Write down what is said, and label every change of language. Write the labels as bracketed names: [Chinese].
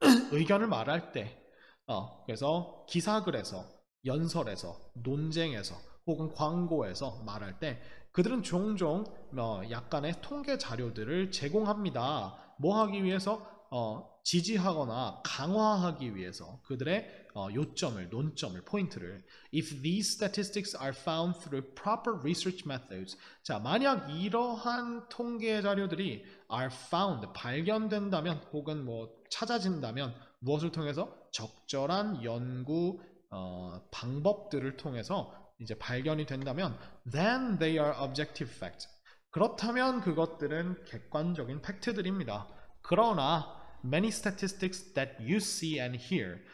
[Korean] 의견을 말할 때, 그래서 기사글에서, 연설에서, 논쟁에서, 혹은 광고에서 말할 때, 그들은 종종 약간의 통계 자료들을 제공합니다. 뭐 하기 위해서? 지지하거나 강화하기 위해서 그들의 요점을, 논점을, 포인트를. [English] If these statistics are found through proper research methods. [Korean] 자, 만약 이러한 통계 자료들이 [English] are found, [Korean] 발견된다면 혹은 뭐 찾아진다면 무엇을 통해서? 적절한 연구 방법들을 통해서 이제 발견이 된다면 [English] then they are objective facts. [Korean] 그렇다면 그것들은 객관적인 팩트들입니다. [English] 그러나 Many statistics that you see and hear.